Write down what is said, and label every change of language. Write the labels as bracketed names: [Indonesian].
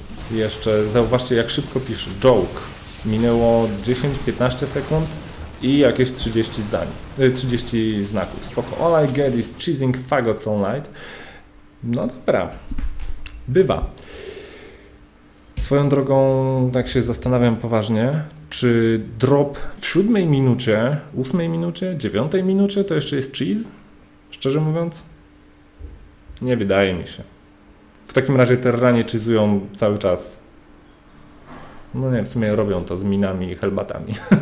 [Polish] Jeszcze zauważcie, jak szybko pisze. Joke. Minęło 10-15 sekund i jakieś 30 zdań. 30 znaków. Spoko. [English] All I get is cheesing faggots online. [Polish] No dobra. Bywa. Swoją drogą, tak się zastanawiam poważnie, czy drop w 7 minucie, 8 minucie, 9 minucie to jeszcze jest cheese? Szczerze mówiąc? Nie wydaje mi się. W takim razie Terranie cheezują cały czas. No nie, w sumie robią to z minami i helbatami.